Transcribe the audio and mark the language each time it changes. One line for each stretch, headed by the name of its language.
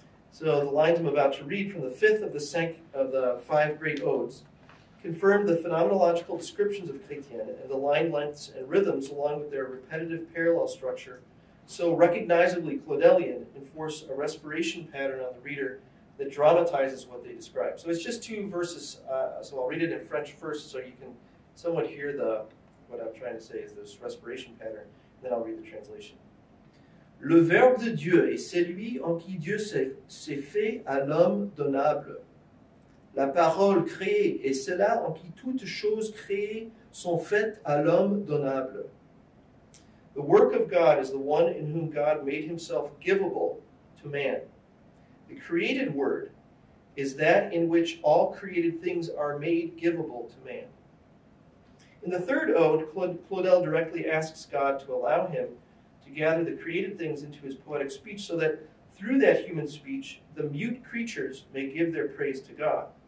English: So the lines I'm about to read from the fifth of the five great odes confirm the phenomenological descriptions of Chrétien and the line lengths and rhythms, along with their repetitive parallel structure, so recognizably Claudelian, enforce a respiration pattern on the reader that dramatizes what they describe. So it's just two verses, so I'll read it in French first so you can somewhat hear the what I'm trying to say is this respiration pattern, and then I'll read the translation.
French: Le Verbe de Dieu est celui en qui Dieu s'est fait à l'homme donnable. La parole créée est celle-là en qui toutes choses créées sont faites à l'homme donnable.
English: The work of God is the one in whom God made himself givable to man. The created word is that in which all created things are made givable to man. In the third ode, Claudel directly asks God to allow him to gather the created things into his poetic speech so that through that human speech, the mute creatures may give their praise to God.